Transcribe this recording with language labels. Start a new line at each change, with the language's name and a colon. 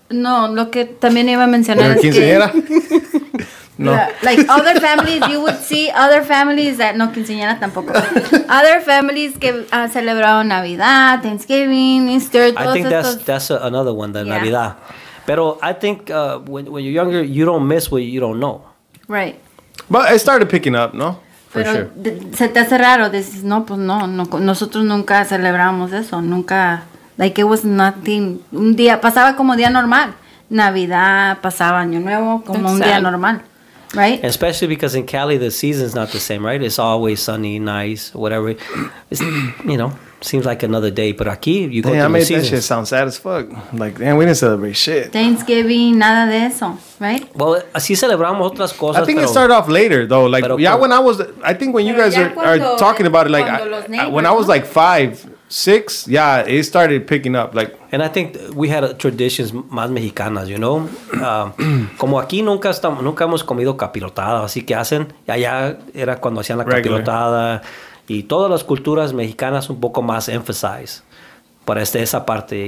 Spanish: No, lo que también iba a mencionar es quinceañera? Que... ¿Era no.
English: Like, other families, you would see other families that...
Spanish: No, quinceañera tampoco.
English: Other families
Spanish: que celebraron
English: Navidad, Thanksgiving, Easter,
Spanish: todos
English: I think
Spanish: estos...
English: that's another one, the Navidad.
Spanish: Pero
English: I think when you're younger, you don't miss what you don't know. Right. But it started picking up,
Spanish: ¿no? Pero se te hace raro, dices, no, pues no, nosotros nunca celebramos eso, nunca,
English: like it was nothing,
Spanish: un día, pasaba como día normal, Navidad, pasaba Año Nuevo, como
English: that's
Spanish: un sad. Día normal, right?
English: Especially because in Cali the season's not the same, right? It's always sunny, nice, whatever, it's, you know, seems like another day, but
Spanish: aquí,
English: you go damn, through I made the seasons. That shit sound sad as fuck, like, damn, we didn't celebrate shit.
Spanish: Thanksgiving, nada de eso. Right? Well, así celebramos otras cosas.
English: I think it started off later, though. Like,
Spanish: pero,
English: yeah, when I was, I think when you guys are talking about it, like, I was like 5, 6, yeah, it started picking up. Like, and I think we had traditions
Spanish: más mexicanas,
English: you know?
Spanish: como aquí nunca hemos comido capirotada, así que hacen, allá era cuando hacían la regular. Capirotada. Y todas las culturas mexicanas un poco más emphasized para esa parte.